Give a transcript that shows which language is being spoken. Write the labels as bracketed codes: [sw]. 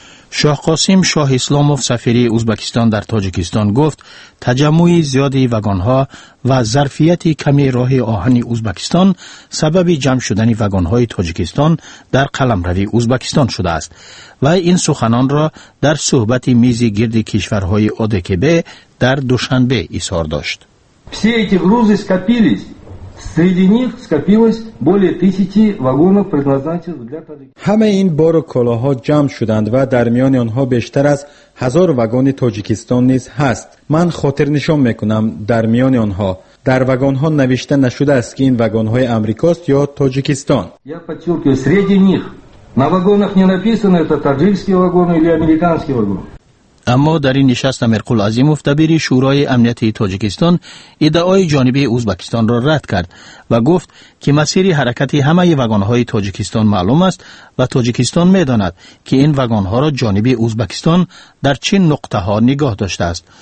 [fa] شاه قاسم شاه اسلاموف سفیر ازبکستان در تاجیکستان گفت تجمع زیادی وگان ها و ظرفیت کمی راه آهن ازبکستان سبب جمع شدن وگان های تاجیکستان در قلمرو ازبکستان شده است و این سخنان را در صحبت میز گرد کشورهای ODKB در دوشنبه اظهار داشت. [ru] Все эти грузы скопились. Среди них скопилось более 1000 вагонов, предназначенных для таджиков. [fa] همه این بار و کالاها جمع شدند و در میان آنها بیشتر از 1000 وگان تاجیکستان نیز هست. من خاطر نشان میکنم در میان آنها در وگان ها نوشته نشده است که این وگان های امریکاست یا تاجیکستان. [ru] Я подчёркиваю, среди них на вагонах не написано это таджикские вагоны или американские вагоны. [fa] اما در این نشست امیرقل عظیموف دبیر شورای امنیت تاجیکستان ادعای جانبی ازبکستان را رد کرد و گفت که مسیر حرکت همه وگان‌های تاجیکستان معلوم است و تاجیکستان می‌داند که این وگان‌ها را جانبی ازبکستان در چه نقطه‌ها نگاه داشته است.